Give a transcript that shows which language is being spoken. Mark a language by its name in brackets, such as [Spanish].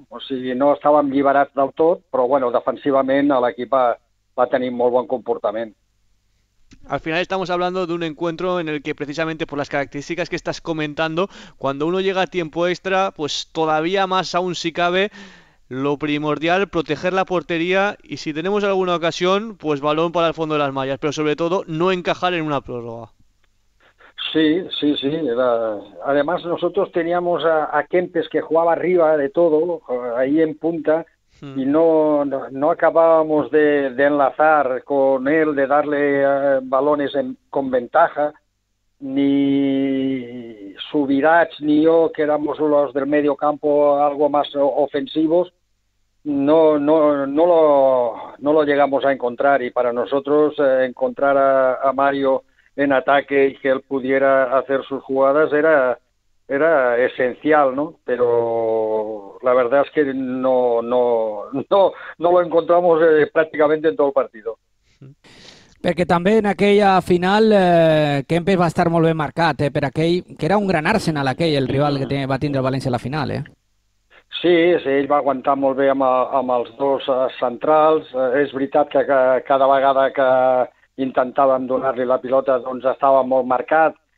[Catalan] O sigui, no estàvem lliberats del tot, però bueno, defensivament l'equip va tenir molt bon comportament. [Spanish] Al final estamos hablando de un encuentro en el que precisamente por las características que estás comentando, cuando uno llega a tiempo extra, pues todavía más aún si cabe, lo primordial, proteger la portería y si tenemos alguna ocasión, pues balón para el fondo de las mallas, pero sobre todo no encajar en una prórroga. Sí, sí, sí. Además nosotros teníamos a Kempes que jugaba arriba de todo, ahí en punta, y no acabábamos de enlazar con él, de darle balones con ventaja, ni Subirats ni yo, que éramos los del medio campo algo más ofensivos, no lo llegamos a encontrar, y para nosotros encontrar a Mario en ataque y que él pudiera hacer sus jugadas era esencial, ¿no? Pero la verdad es que no lo encontramos prácticamente en todo el partido. [Catalan] Perquè també en aquella final Kempes va estar molt ben marcat per aquell, que era un gran Arsenal aquell, el rival que va tindre el València a la final. Sí, ell va aguantar molt bé amb els dos centrals. És veritat que cada vegada que intentàvem donar-li la pilota doncs estava molt marcat.